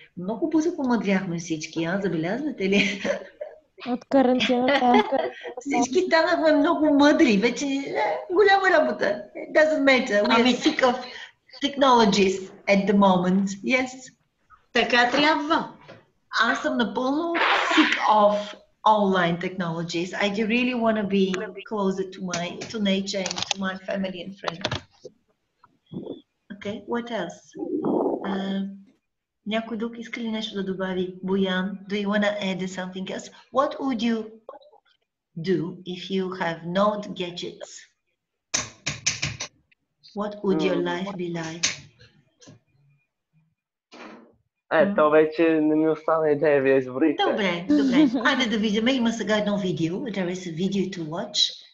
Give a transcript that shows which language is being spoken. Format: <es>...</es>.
<bg>Много бързо помадряхме всички, а? Забелязвате ли? От карантината. Всички станахме много мъдри. Вече голяма работа.</bg> <en>It doesn't matter. We are sick of technologies at the moment. Yes.</en> <bg>Така трябва. Аз съм напълно</bg> <en>sick of online technologies. I do really want to be closer to my to nature and to my family and friends. Okay, what else?</en> <bg>Някой друг иска ли нещо да добави?</bg> <en>Боян, do you want to add something else? What would you do if you have no gadgets? What would your life be like?</en> <bg>То вече не ми остана идея, вие изборите. Добре, добре. Айде да видим. Има сега едно видео.</bg> <en>There is a video to watch.</en>